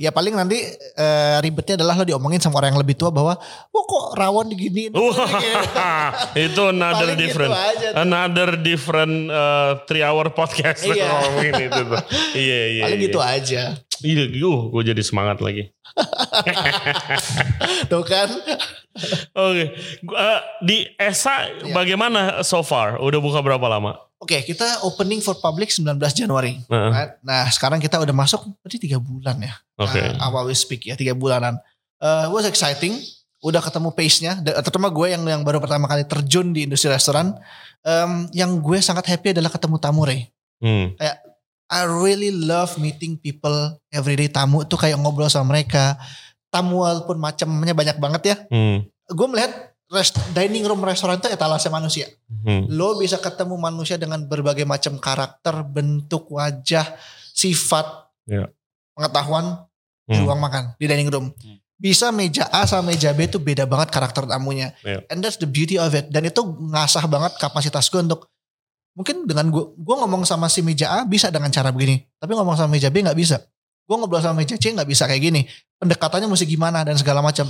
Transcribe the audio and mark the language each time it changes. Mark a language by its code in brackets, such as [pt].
[id] Ya paling nanti ribetnya adalah lo diomongin sama orang yang lebih tua bahwa, wah kok rawon diginiin. Itu [en] another [id] paling [en] different. [id] Gitu aja, [en] another different 3-hour podcast. [id] Iya. Itu tuh. Iya, iya. Paling iya gitu aja. Iya, gue jadi semangat lagi. Tuh kan. Oke. Okay. Di ESA iya, bagaimana [en] so far? [id] Udah buka berapa lama? [en] Oke, okay, [id] kita [en] opening for public 19 Januari. Right? [id] Nah, sekarang kita udah masuk, berarti 3 bulan ya. Oke. [en] Okay. While we speak [id] ya, 3 bulanan. [en] It was exciting, [id] udah ketemu pace-nya. Terutama gue yang baru pertama kali terjun di industri restoran. Yang gue sangat happy adalah ketemu tamu, Ray. Kayak, [en] I really love meeting people everyday. [id] Tamu tuh kayak ngobrol sama mereka. Tamu walaupun macamnya banyak banget ya. Gue melihat dining room restoran itu etalase manusia. Lo bisa ketemu manusia dengan berbagai macam karakter, bentuk wajah, sifat, pengetahuan di ruang makan, di dining room. bisa meja A sama meja B itu beda banget karakter tamunya. [en] Yeah. And that's the beauty of it. [id] Dan itu ngasah banget kapasitas gue untuk, mungkin dengan gue ngomong sama si meja A bisa dengan cara begini, tapi ngomong sama meja B gak bisa. Gue ngobrol sama meja C gak bisa kayak gini. Pendekatannya mesti gimana dan segala macam.